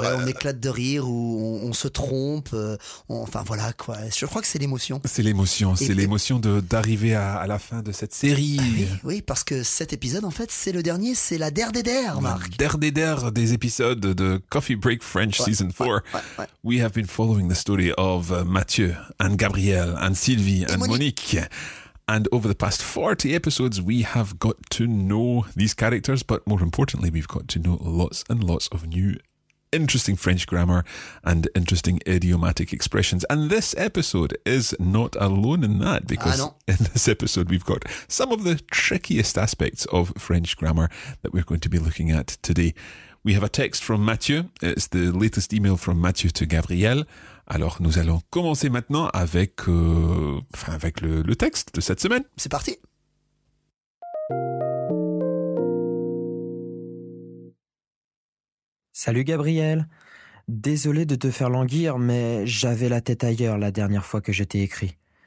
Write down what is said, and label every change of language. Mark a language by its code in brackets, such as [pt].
[fr] Ouais, on éclate de rire ou on se trompe. Enfin voilà quoi, je crois que c'est l'émotion. C'est l'émotion, d'arriver à la fin de cette série. Oui, parce que cet épisode en fait, c'est le dernier, c'est la der-der-der, Marc. Der-der-der des épisodes de Coffee Break French Season 4. Ouais. [en] We have been following the story of Mathieu, and Gabriel, and Sylvie, and Monique. And over the past 40 episodes, we have got to know these characters, but more importantly, we've got to know lots and lots of new, interesting French grammar and interesting idiomatic expressions. And this episode is not alone in that, because in this episode, we've got some of the trickiest aspects of French grammar that we're going to be looking at today. We have a text from Mathieu. It's the latest email from Mathieu to Gabriel. [fr] Alors, nous allons commencer maintenant avec le texte de cette semaine. C'est parti. Salut Gabriel. Désolé de te faire languir, mais j'avais la tête ailleurs la dernière fois que je t'ai écrit.